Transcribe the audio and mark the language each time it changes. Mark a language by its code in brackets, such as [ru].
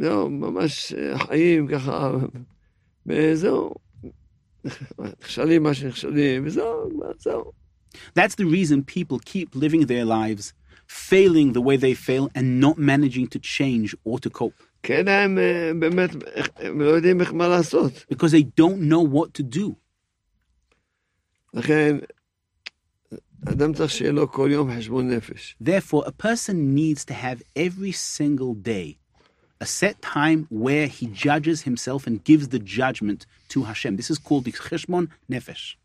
[he] זהו, ממש חיים ככה, וזהו, נכשלים מה שנכשלים, וזהו, זהו. [en] That's the reason people keep living their lives, failing the way they fail, and not managing to change or to cope. [he] כן, הם באמת, הם לא יודעים איך מה לעשות. [en] Because they don't know what to do. [he] לכן, אדם צריך שיהיה לו כל יום חשבון נפש. [en] Therefore, a person needs to have every single day a set time where he judges himself and gives the judgment to Hashem. This is called the Cheshbon Nefesh.